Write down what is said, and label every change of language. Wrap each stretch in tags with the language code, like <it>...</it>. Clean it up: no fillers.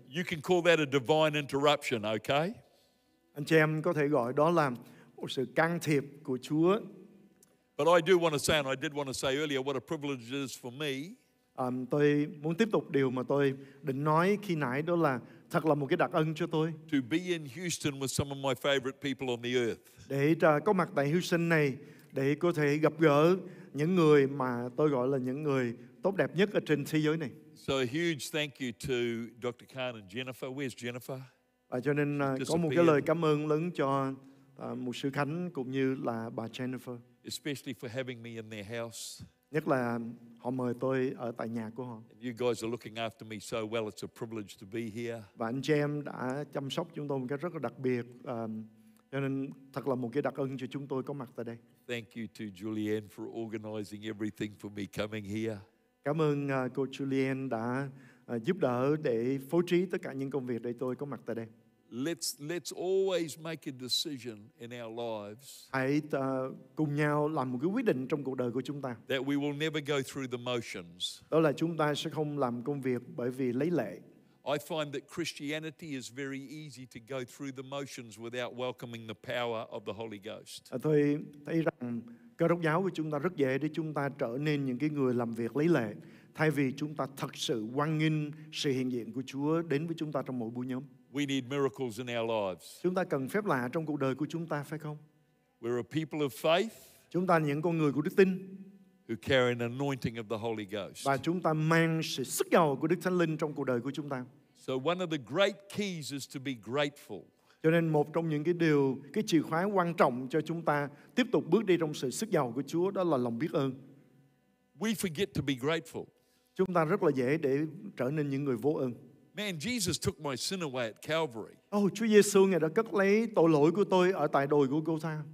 <en>You can call that a divine interruption, okay?</en> <vi>Anh chị em có thể gọi đó là một sự can thiệp của Chúa.</vi> <en>But I do want to say, and I did want to say earlier, what a privilege it is for me.</en> <vi>Tôi muốn tiếp tục điều mà tôi định nói khi nãy, đó là thật là một cái đặc ân cho tôi.</vi> <en>To be in Houston with some of my favorite people on the earth.</en> <vi>Để có mặt tại Houston này, để có thể gặp gỡ những người mà tôi gọi là những người tốt đẹp nhất ở trên thế giới này.</vi> <en>So a huge thank you to Dr. Khan and Jennifer. Where's Jennifer?</en> <vi>Và cho nên có một cái lời cảm ơn lớn cho Mục sư Khánh cũng như là bà Jennifer.</vi> <en>Especially for having me in their house.</en> <vi>Nhất là họ mời tôi ở tại nhà của họ.</vi> <en>You guys are looking after me so well. It's a privilege to be here.</en> <vi>Và anh chị em đã chăm sóc chúng tôi một cách rất là đặc biệt. Cho nên thật là một cái đặc ân cho chúng tôi có mặt tại đây.</vi> <en>Thank you to Julianne for organizing everything for me coming here.</en> <vi>Cảm ơn cô Julianne đã giúp đỡ để phối trí tất cả những công việc để tôi có mặt tại đây.</vi> <en>Let's always make a decision in our lives.</en> <vi>Hãy cùng nhau làm một cái quyết định trong cuộc đời của chúng ta.</vi> <en>That we will never go through the motions.</en> <vi>Đó là chúng ta sẽ không làm công việc bởi vì lấy lệ.</vi> <en>I find that Christianity is very easy to go through the motions without welcoming the power of the Holy Ghost.</en> <vi>Tôi thấy rằng Cơ Đốc giáo của chúng ta rất dễ để chúng ta trở nên những cái người làm việc lấy lệ, thay vì chúng ta thật sự hoan nghênh sự hiện diện của Chúa đến với chúng ta trong mỗi buổi nhóm.</vi> <en>We need miracles in our lives.</en> <vi>Chúng ta cần phép lạ trong cuộc đời của chúng ta, phải không?</vi> <en>We're a people of faith.</en> <vi>Chúng ta là những con người của đức tin.</vi> <en>Who carry an anointing of the Holy Ghost.</en> <vi>Và chúng ta mang sự sức giàu của Đức Thánh Linh trong cuộc đời của chúng ta.</vi> <en>So one of the great keys is to be grateful.</en> <vi>Cho nên một trong những cái chìa khóa quan trọng cho chúng ta tiếp tục bước đi trong sự sức giàu của Chúa, đó là lòng biết ơn.</vi> <en>We forget to be grateful.</en> <vi>Chúng ta rất là dễ để trở nên những người vô ơn.</vi> <en>Man, Jesus took my sin away at Calvary.</en> <vi>Oh, Chúa Giêsu ngài đã cất lấy tội lỗi của tôi ở tại đồi Golgotha.</vi>